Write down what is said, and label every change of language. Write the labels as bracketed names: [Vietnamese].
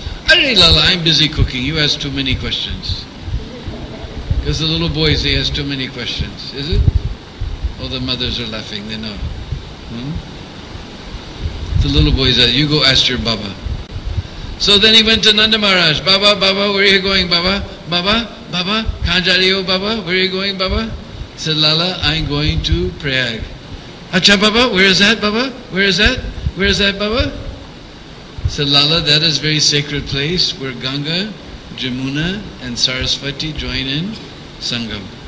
[English] Arre, Lala, I'm busy cooking. You ask too many questions. Because the little boys, they ask too many questions, is it? All the mothers are laughing, they know. The little boys, you go ask your Baba. So then he went to Nanda Maharaj. Baba, Baba, where are you going, Baba? [Hindi] बाबा, बाबा, कहाँ जा रहे हो, बाबा? [English] Where are you going, Baba? He said, Lala, I'm going to Prayag. Acha, Baba, where is that, Baba? Where is that? Where is that, Baba? He said, Lala, that is a very sacred place where Ganga, Jamuna, and Sarasvati join in Sangam.